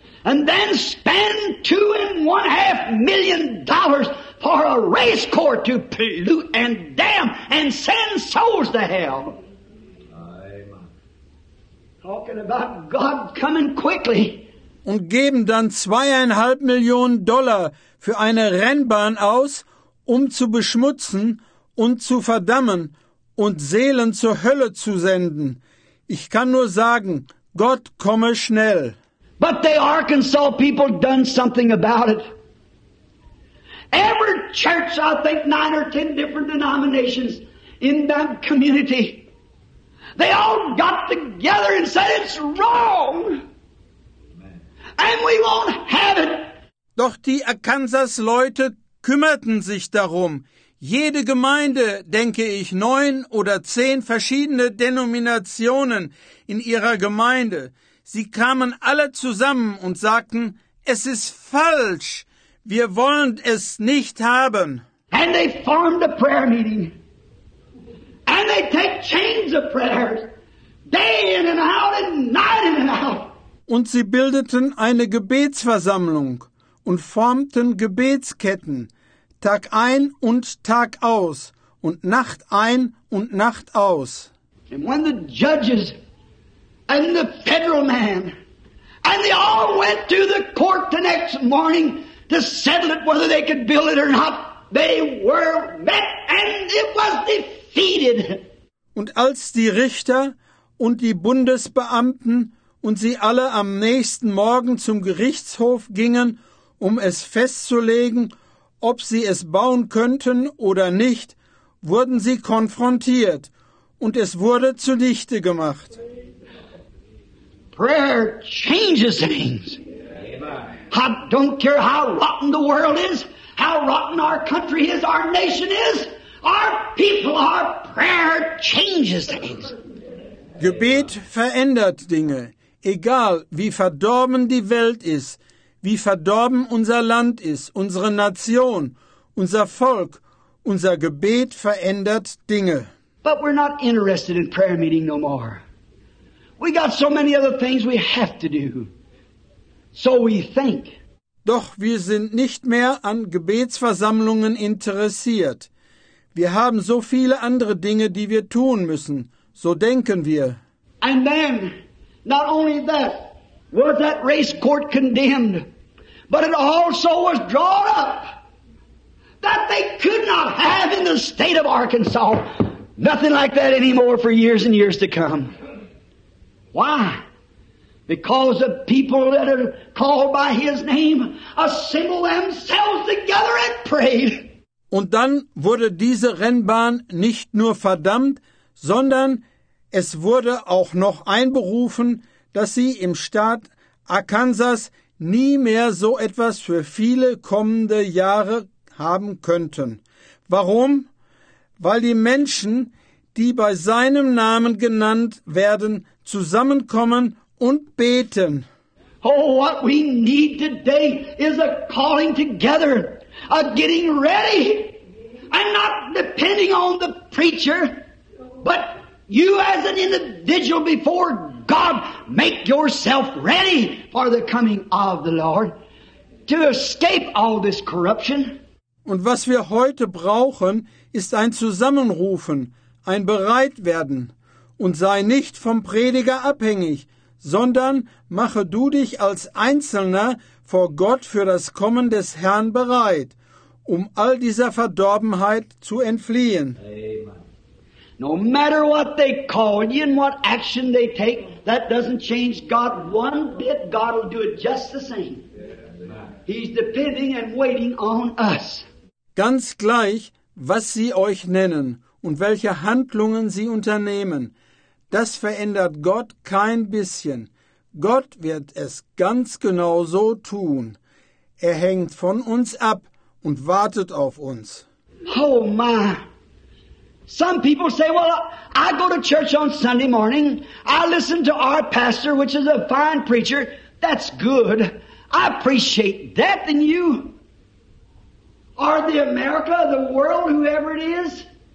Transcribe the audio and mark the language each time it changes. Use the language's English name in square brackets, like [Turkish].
[English] And then spend $2.5 million for a race car to pollute and damn and send souls to hell. Amen. Talking about God coming quickly. [German] Und geben dann $2.5 million für eine Rennbahn aus, um zu beschmutzen und zu verdammen und Seelen zur Hölle zu senden. Ich kann nur sagen, Gott komme schnell. [English] But the Arkansas people done something about it. Every church, I think 9 or 10 different denominations in that community, they all got together and said it's wrong. And we won't have it. [German] Doch die Arkansas-Leute kümmerten sich darum. Jede Gemeinde, denke ich, 9 oder 10 verschiedene Denominationen in ihrer Gemeinde. Sie kamen alle zusammen und sagten, es ist falsch, wir wollen es nicht haben. [English] And they formed a prayer meeting. And they take chains of prayers, day in and out and night in and out. [German] Und sie bildeten eine Gebetsversammlung und formten Gebetsketten, Tag ein und Tag aus, und Nacht ein und Nacht aus. [English] And when the judges and the federal man, and they all went to the court the next morning to settle it whether they could build it or not, they were met and it was defeated. [German] Und als die Richter und die Bundesbeamten und sie alle am nächsten Morgen zum Gerichtshof gingen, um es festzulegen, ob sie es bauen könnten oder nicht, wurden sie konfrontiert und es wurde zunichte gemacht. [English] Prayer changes things. I don't care how rotten the world is, how rotten our country is, our nation is, our people, our prayer changes things. [German] Gebet verändert Dinge, egal wie verdorben die Welt ist, wie verdorben unser Land ist, unsere Nation, unser Volk, unser Gebet verändert Dinge. [English] But we're not interested in prayer meeting no more. We got so many other things we have to do. So we think. [German] Doch wir sind nicht mehr an Gebetsversammlungen interessiert. Wir haben so viele andere Dinge, die wir tun müssen. So denken wir. [English] And then, not only that, was that race court condemned, but it also was drawn up that they could not have in the state of Arkansas nothing like that anymore for years and years to come. Why? Because the people that are called by his name assemble themselves together and pray. [German] Und dann wurde diese Rennbahn nicht nur verdammt, sondern es wurde auch noch einberufen, dass sie im Staat Arkansas nie mehr so etwas für viele kommende Jahre haben könnten. Warum? Weil die Menschen, die bei seinem Namen genannt werden, zusammenkommen und beten. [English] Oh, what we need today is a calling together, a getting ready, and not depending on the preacher, but you as an individual before God, make yourself ready for the coming of the Lord to escape all this corruption. [German] Und was wir heute brauchen, ist ein Zusammenrufen, ein Bereitwerden. Und sei nicht vom Prediger abhängig, sondern mache du dich als Einzelner vor Gott für das Kommen des Herrn bereit, um all dieser Verdorbenheit zu entfliehen. [English] Amen. No matter what they call you and what action they take, that doesn't change God one bit. God will do it just the same. He's depending and waiting on us. [German] Ganz gleich, was sie euch nennen und welche Handlungen sie unternehmen, das verändert Gott kein bisschen. Gott wird es ganz genau so tun. Er hängt von uns ab und wartet auf uns. [English] Oh my! Some people say, well, I go to church on Sunday morning. I listen to our pastor, which is a fine preacher. That's good. I appreciate that than you. Are the America, the world, whoever it is.